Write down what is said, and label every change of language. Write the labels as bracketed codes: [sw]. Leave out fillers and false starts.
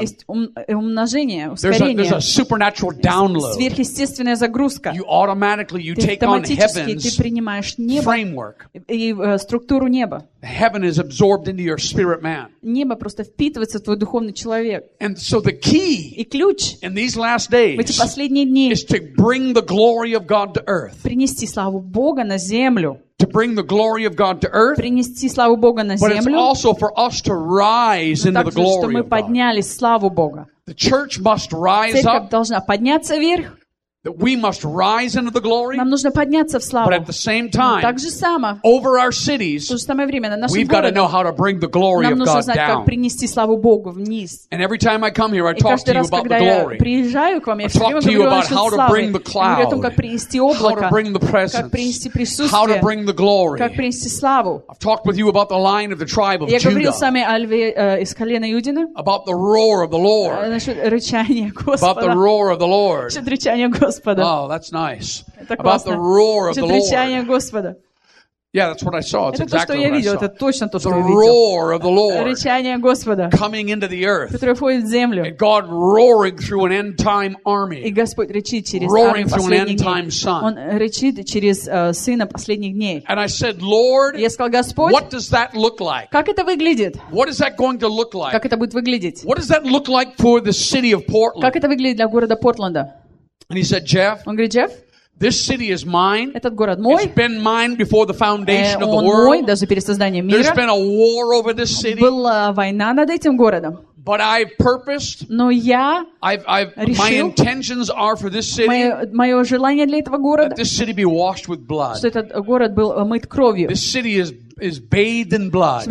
[ru] есть умножение, ускорение. [en] There's a supernatural download. [ru] Сверхъестественная загрузка. [en] You automatically, you [ru] ты [en] take [ru] автоматически [en] on heaven's [ru] ты принимаешь небо [en] framework. [ru] И структуру неба. небо. [en] Heaven is absorbed into your spirit man. [ru] Небо просто впитывается в твой духовный человек. [en] And so the key [ru] и ключ [en] in these last days [ru] в эти последние дни [en] is to bring the glory of God to earth. [ru] Принести славу Бога на землю. [en] To bring the glory of God to earth. [ru] Принести славу Бога на землю. [en] But it's also for us to rise into the glory of God. [ru] Чтобы мы поднялись славу Бога. [en] The church must rise up. [ru] Церковь должна подняться вверх. [en] That we must rise into the glory. [ru] Нам нужно подняться в славу. [en] But at the same time, [ru] так же само, [en] over our cities, [ru] в то же самое время, на нашем городе, [en] we've got to know how to bring the glory of God down. [ru] Нам нужно знать, как принести славу Богу вниз. [en] And every time I come here, I talk to you about the glory. [ru] И каждый раз, когда я приезжаю к вам, я [en] talk to you about how to bring the cloud. [ru] Говорю о том, как принести облако. [en] How to bring the presence. [ru] Как принести присутствие. [en] How to bring the glory. [ru] Как принести славу. [en] I've talked with you about the line of the tribe of [ru] Judah. Я говорил с вами о льве из колена Иудина. [en] About the roar of the Lord. [ru] Насчет рычания Господа. [en] About the roar of the Lord. [ru] Насчет рычания Господа. [en] Oh, that's nice. About the roar of the Lord. Yeah, that's what I saw. It's exactly what I saw. [ru] Это точно то, что я видел. [en] The roar of the Lord. [ru] Рычание Господа. [en] Coming into the earth. [ru] Которое входит в землю. [en] And God roaring through an end time army. [ru] И Господь рычит через [en] roaring through an end time son. [ru] Он рычит через сына последних дней. [en] And I said, Lord, [ru] я сказал, Господь, [en] what does that look like? [ru] Как это выглядит? [en] What is that going to look like? [ru] Как это будет выглядеть? [en] What does that look like for the city of Portland? [ru] Как это выглядит для города Портленда? [en] And he said, Jeff, [ru] он говорит, Джефф, [en] this city is mine. [ru] Этот город мой. [en] It's been mine before the foundation of the world. [ru] Он мой, даже перед созданием мира. [en] There's been a war over this city. [ru] Была война над этим городом. [en] But I've purposed. [ru] Но я решил. [en] My intentions are for this city. [ru] Мое желание для этого города. [en] That this city be washed with blood. [ru] Чтобы этот город был омыт кровью. [en] This city is bathed in blood.